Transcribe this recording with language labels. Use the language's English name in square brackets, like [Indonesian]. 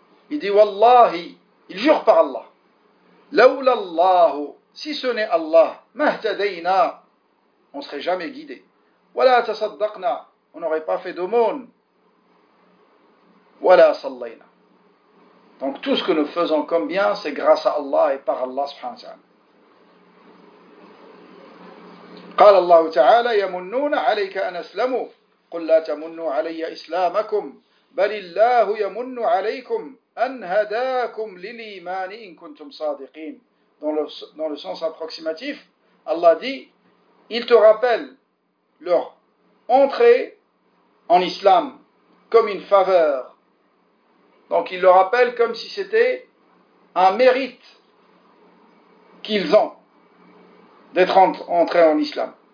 [French] Il dit, Wallahi, il jure par Allah, [Arabic] Lawlallahu, [French] si ce n'est Allah, [Arabic] mahtadayna, [French] on ne serait jamais guidé. [Arabic] ولا تصدقنا, [French] on n'aurait pas fait d'aumône, [Arabic] ولا صلينا. [French] Donc tout ce que nous faisons comme bien, c'est grâce à Allah et par Allah subhanahu wa ta'ala. [Arabic] قال الله تعالى يمنون عليك أن أسلموا قل لا تمنوا علي إسلامكم بل الله يمن عليكم أن هداكم للإيمان إن كنتم صادقين. [French] Dans le sens approximatif, Allah dit, il te rappelle leur entrée en islam comme une faveur. Donc il le rappelle comme si c'était un mérite qu'ils ont d'être entrés en islam.